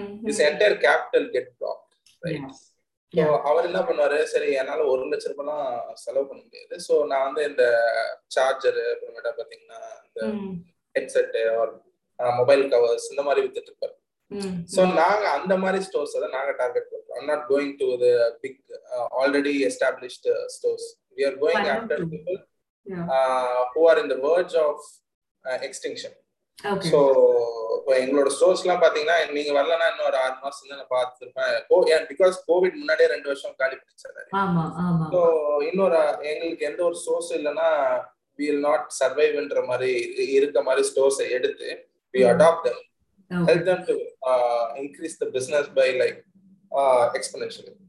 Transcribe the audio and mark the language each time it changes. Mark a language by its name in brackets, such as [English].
[English] Is entire capital get block right. [Tamil] So அவர் என்ன பண்ணுவாரு, சரி என்னால 1 லட்ச ரூபாய்லாம் செலவு பண்ண முடியாது, ஸோ நான் வந்து இந்த சார்ஜரு அப்புறமேட்டா பாத்தீங்கன்னா இந்த ஹெட்செட்டு ஆர் மொபைல் கவர்ஸ் இந்த மாதிரி வித்துட்டு இருப்பாரு. சோ நாங்க அந்த மாதிரி ஸ்டோர்ஸ் அத நாங்க டார்கெட் பண்றோம். [English] I'm not going to the big already established stores. We are going after people who are in the verge of extinction. Okay. [Tamil] So எங்களோட ஸ்டோர்ஸ்லாம் பாத்தீங்கன்னா நீங்க வரலனா இன்னும் ஒரு 6 மாசம் தான பாத்துるபா. Because covid முன்னாடியே 2 வருஷம் காலி பிடிச்சாரு. ஆமா ஆமா. சோ இன்னொரு எங்களுக்கு எந்த ஒரு ஸ்டோர்ஸ் இல்லனா [English] we will not survive [Tamil] ன்ற மாதிரி இருக்க மாதிரி ஸ்டோர்ஸ் எடுத்து [English] we adopt them. Okay. Help them to increase the business by like exponentially.